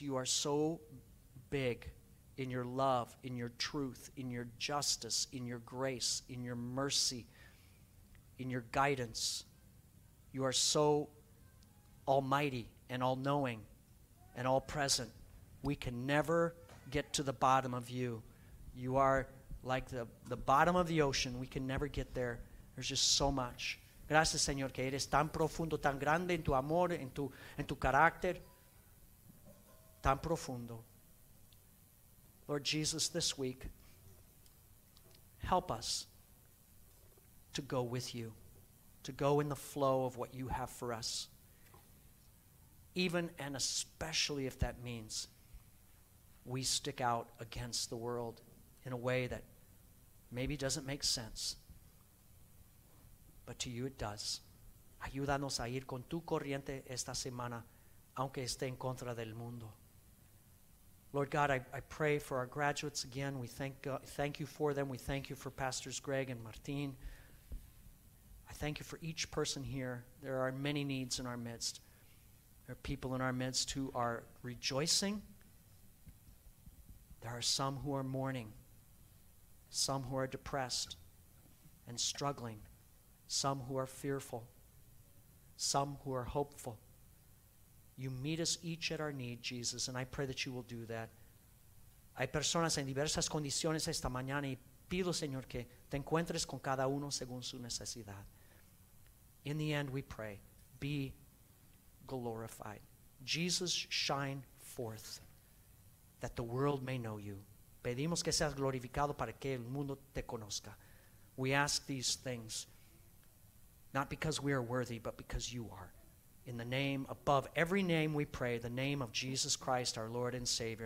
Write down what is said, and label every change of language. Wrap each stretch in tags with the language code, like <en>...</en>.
<en>You are so big in your love, in your truth, in your justice, in your grace, in your mercy, in your guidance. You are so almighty and all-knowing and all-present. We can never get to the bottom of you. You are like the bottom of the ocean. We can never get there. There's just so much.</en> <es>Gracias, Señor, que eres tan profundo, tan grande en tu amor, en tu carácter, tan profundo.</es> <en>Lord Jesus, this week, help us to go with you, to go in the flow of what you have for us, even and especially if that means we stick out against the world in a way that maybe doesn't make sense, but to you it does.</en> <es>Ayúdanos a ir con tu corriente esta semana, aunque esté en contra del mundo.</es> <en>Lord God, I pray for our graduates again. We thank you for them. We thank you for Pastors Greg and Martin. I thank you for each person here. There are many needs in our midst. There are people in our midst who are rejoicing. There are some who are mourning. Some who are depressed and struggling. Some who are fearful. Some who are hopeful. You meet us each at our need, Jesus, and I pray that you will do that.</en> <es>Hay personas en diversas condiciones esta mañana y pido, Señor, que te encuentres con cada uno según su necesidad.</es> <en>In the end, we pray, be glorified. Jesus, shine forth that the world may know you.</en> <es>Pedimos que seas glorificado para que el mundo te conozca.</es> <en>We ask these things not because we are worthy, but because you are. In the name above every name we pray, the name of Jesus Christ, our Lord and Savior.</en>